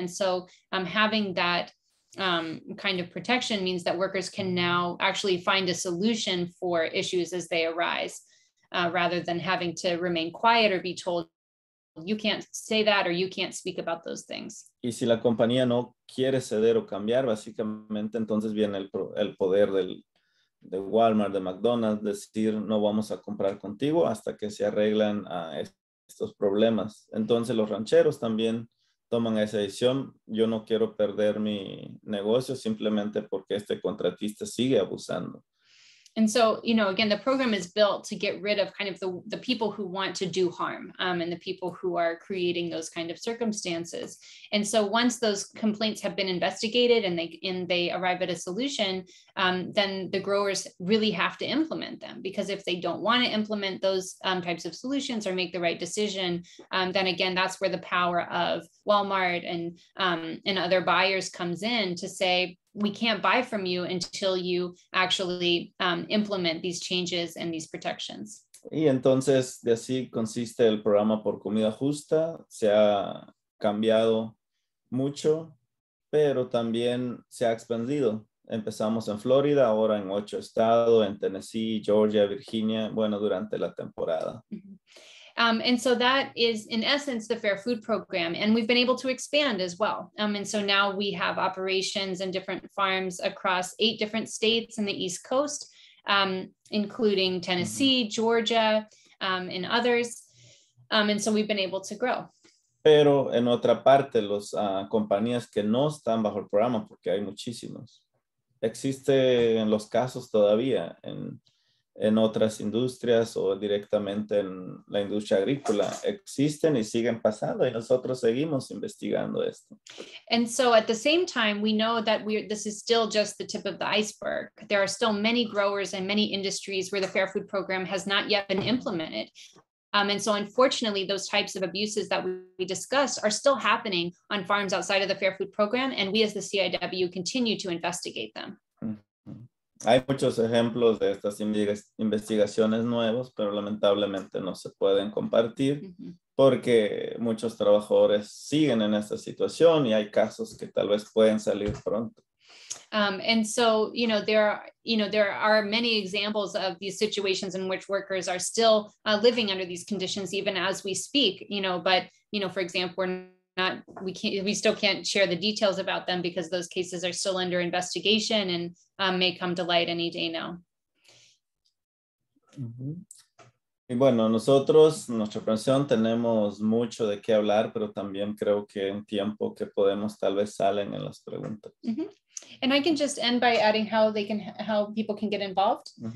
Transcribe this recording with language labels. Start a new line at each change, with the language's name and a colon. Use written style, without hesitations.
English: And so having that kind of protection means that workers can now actually find a solution for issues as they arise, rather than having to remain quiet or be told, you can't say that or you can't speak about those things.
Spanish: Y si la compañía no quiere ceder o cambiar, básicamente entonces viene el poder de Walmart, de McDonald's, decir no vamos a comprar contigo hasta que se arreglan estos problemas. Entonces los rancheros también toman esa decisión, yo no quiero perder mi negocio simplemente porque este contratista sigue abusando.
English: And so, again, the program is built to get rid of kind of the people who want to do harm and the people who are creating those kind of circumstances. And so once those complaints have been investigated and they arrive at a solution, then the growers really have to implement them, because if they don't want to implement those types of solutions or make the right decision, then again, that's where the power of Walmart and other buyers comes in to say, we can't buy from you until you actually implement these changes and these protections.
Spanish: Y entonces, de así consiste el programa por comida justa. Se ha cambiado mucho, pero también se ha expandido. Empezamos en Florida, ahora en 8 estados, en Tennessee, Georgia, Virginia, durante la temporada. Mm-hmm.
English: And so that is, in essence, the Fair Food Program, and we've been able to expand as well. And so now we have operations and different farms across 8 different states in the East Coast, including Tennessee, Georgia, and others. And so we've been able to grow.
Spanish: Pero en otra parte, las compañías que no están bajo el programa, porque hay muchísimos, existen los casos todavía en otras industrias o directamente en la industria agrícola, existen y siguen pasando y nosotros seguimos investigando esto.
English: And so at the same time, we know that this is still just the tip of the iceberg. There are still many growers and many industries where the Fair Food Program has not yet been implemented. And so unfortunately, those types of abuses that we discussed are still happening on farms outside of the Fair Food Program, and we as the CIW continue to investigate them.
Spanish: Hay muchos ejemplos de estas investigaciones nuevos, pero lamentablemente no se pueden compartir porque muchos trabajadores siguen en esta situación y hay casos que tal vez pueden salir pronto.
English: And so, there are many examples of these situations in which workers are still living under these conditions even as we speak, for example, we still can't share the details about them because those cases are still under investigation and may come to light any day now.
Spanish: Y bueno, nosotros, nuestra profesión, tenemos mucho de qué hablar, pero también creo que en tiempo que podemos tal vez salen en las preguntas.
English: And I can just end by adding how people can get involved.